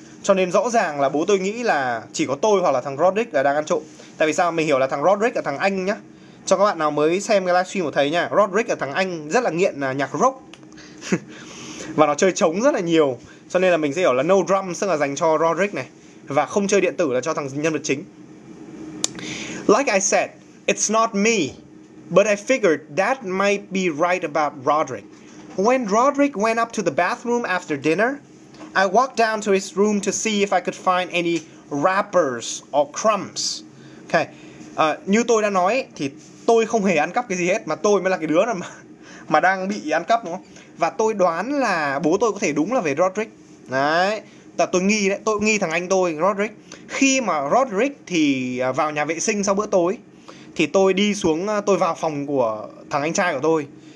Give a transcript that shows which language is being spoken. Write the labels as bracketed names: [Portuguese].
[Vietnamese] Cho nên rõ ràng là bố tôi nghĩ là chỉ có tôi hoặc là thằng Roderick là đang ăn trộm. Tại vì sao? Mình hiểu là thằng Roderick là thằng Anh nhá. Cho các bạn nào mới xem cái livestream của thầy nha, Roderick là thằng Anh rất là nghiện nhạc rock. Và nó chơi trống rất là nhiều. Cho nên là mình sẽ hiểu là no drums tức là dành cho Roderick này. Và không chơi điện tử là cho thằng nhân vật chính. [English] Like I said, it's not me, but I figured that might be right about Roderick. When Roderick went up to the bathroom after dinner, I walked down to his room to see if I could find any wrappers or crumbs. Okay. [Vietnamese] Như tôi đã nói thì tôi không hề ăn cắp cái gì hết, mà tôi mới là cái đứa mà đang bị ăn cắp đúng không? Và tôi đoán là bố tôi có thể đúng là về Roderick. Đấy. Tôi nghi thằng anh tôi, Roderick. Khi mà Roderick thì vào nhà vệ sinh sau bữa tối, thì tôi đi xuống, tôi vào phòng của thằng anh trai của tôi.